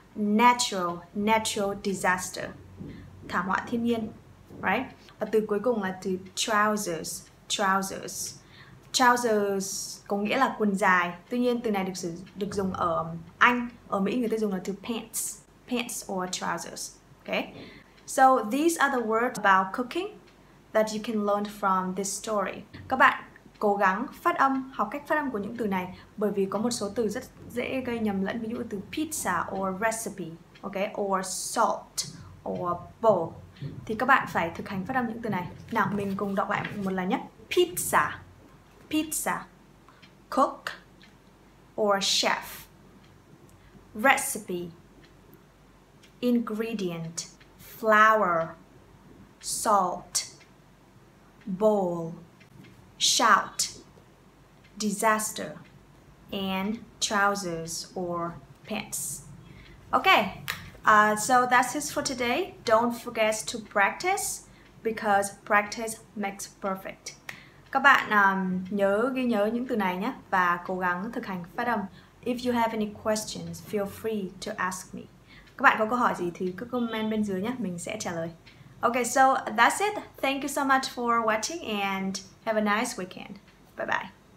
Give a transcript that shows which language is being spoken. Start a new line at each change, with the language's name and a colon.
English: Natural, natural disaster.
Vietnamese: Thảm họa thiên nhiên, right? Và từ cuối cùng là từ trousers. Trousers. Trousers có nghĩa là quần dài. Tuy nhiên từ này được dùng ở Anh. Ở Mỹ người ta dùng là từ pants.
English: Pants or trousers. Okay? So these are the words about cooking that you can learn from this story.
Vietnamese: Các bạn cố gắng phát âm, học cách phát âm của những từ này, bởi vì có một số từ rất dễ gây nhầm lẫn, ví dụ từ pizza or recipe, okay, or salt or bowl. Thì các bạn phải thực hành phát âm những từ này. Nào, mình cùng đọc lại một lần nhé.
English: Pizza, pizza, cook or chef, recipe, ingredient, flour, salt, bowl, shout, disaster, and trousers or pants. Okay, so that's it for today. Don't forget to practice because practice makes perfect.
Vietnamese: Các bạn nhớ ghi nhớ những từ này nhé và cố gắng thực hành phát âm.
English: If you have any questions, feel free to ask me.
Vietnamese: Các bạn có câu hỏi gì thì cứ comment bên dưới nhé, mình sẽ trả lời.
English: Okay, so that's it. Thank you so much for watching and have a nice weekend. Bye-bye.